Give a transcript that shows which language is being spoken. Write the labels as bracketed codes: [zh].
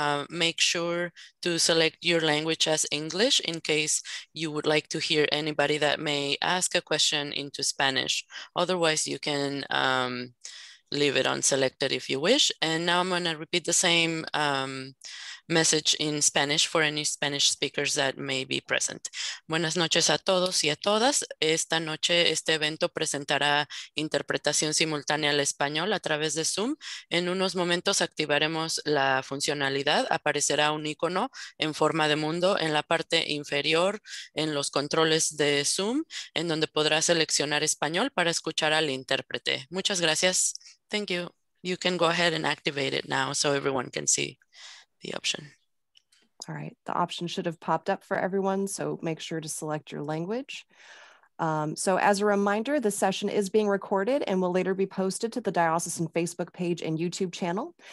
[en] Make sure to select your language as English in case you would like to hear anybody that may ask a question into Spanish. Otherwise, you can leave it unselected if you wish. And now I'm going to repeat the same message in Spanish for any Spanish speakers that may be present. [es] Buenas noches a todos y a todas. Esta noche este evento presentará interpretación simultánea al español a través de Zoom. En unos momentos activaremos la funcionalidad. Aparecerá un icono en forma de mundo en la parte inferior en los controles de Zoom, en donde podrás seleccionar español para escuchar al intérprete. Muchas gracias. [en] Thank you. You can go ahead and activate it now so everyone can see the option. All right, the option should have popped up for everyone, so make sure to select your language. So as a reminder, the session is being recorded and will later be posted to the Diocesan Facebook page and YouTube channel.